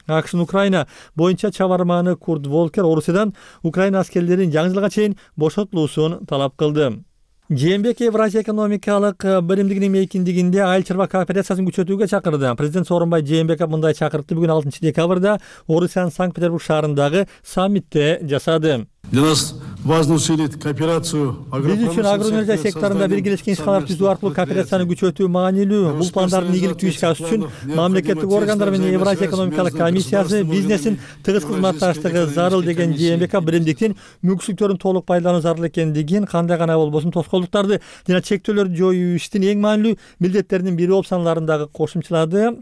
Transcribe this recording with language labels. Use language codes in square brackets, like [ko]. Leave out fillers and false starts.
[ky] АКШнын Украина боюнча чабарманы Курт Волкер Орусиядан Украина аскерлерин жаңы жылга чейин бошотулуусун талап кылды. ЖМБК Евразия экономикалык биримдигинин мейкиндигинде айыл чарба кооперациясын күчөтүүгө чакырды. Президент Сооронбай ЖМБК мындай чакырыкты бүгүн 6 декабрда Орусиянын Санкт-Петербург шаарындагы саммитте жасады. [ru] Для нас важно усилить кооперацию агропромышленности. [ky] Биз үчүн агроөнөрчүлүк секторунда биргелешкен иш-чаралар түзүү аркылуу кооперацияны күчөтүү маанилүү. Бул пландардын ийгиликтүү ишке ашышы үчүн мамлекеттик органдар менен Евразия экономикалык комиссиясы бизнесин тыгыз кызматташтыгы зарыл деген ЖМБК биримдиктин мүмкүнчүлүктөрүн толук пайдалануу зарыл экендигин, кандай гана болбосун тоскоолдуктарды жана чектөөлөрдү жоюу иштин эң маанилүү милдеттеринин бири болуп саналарын дагы кошумчалады.